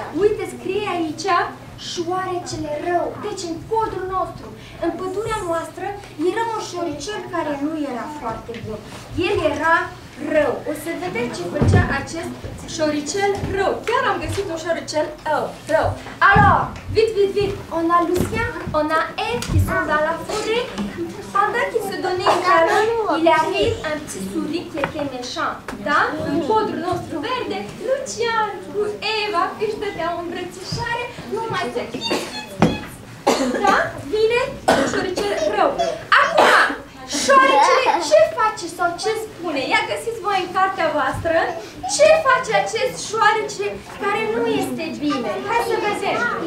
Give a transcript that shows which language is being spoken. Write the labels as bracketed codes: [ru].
[ro] Uite, scrie aici, șoarecele rău, deci în codrul nostru. În pădurea noastră era un șoricel care nu era foarte bun. El era rău. O să vedeți ce făcea acest șoricel rău. Chiar am găsit un șoricel rău. [fr] Alors, vite. On a Lucien, on a Eve qui sont dans la forêt. Pendant qu'il se donnait un câlin, il arrive un petit souris qui était méchant. [ro] Da? În codrul nostru verde, Lucian cu Eva își dădeau îmbrățișare. Nu mai să fiți. Da? Vine șoarece rău. Acum, șoarecele, ce face sau ce spune? Ia găsiți voi în cartea voastră ce face acest șoarece care nu este bine. Hai să vedem.